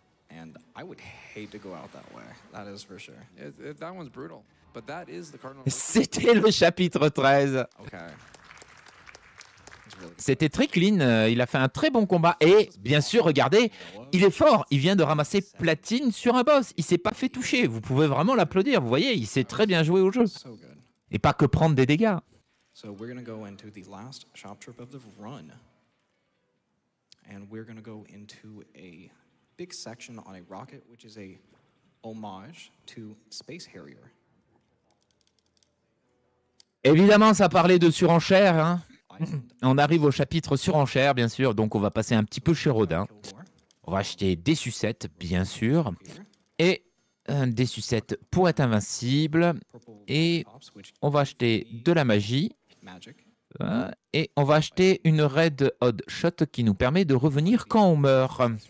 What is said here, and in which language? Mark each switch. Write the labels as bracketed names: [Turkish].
[English] and I would hate to go out that way. That is for sure. If that one's brutal, but that is the cardinal. [French] C'était le chapitre 13. [English] Okay. [French] C'était très clean, il a fait un très bon combat et bien sûr, regardez, il est fort, il vient de ramasser platine sur un boss, il s'est pas fait toucher, vous pouvez vraiment l'applaudir, vous voyez, il s'est très bien joué au jeu et pas que prendre des dégâts. [English] So we're going to go into the last shop trip of the run and we're going to go into a big section on a rocket which is a homage to Space Harrier. [French] Évidemment, ça parlait de surenchère, hein. On arrive au chapitre surenchère, bien sûr, donc on va passer un petit peu chez Rodin. On va acheter des sucettes, bien sûr, et des sucettes pour être invincible, et on va acheter de la magie, et on va acheter une Red Odd Shot qui nous permet de revenir quand on meurt.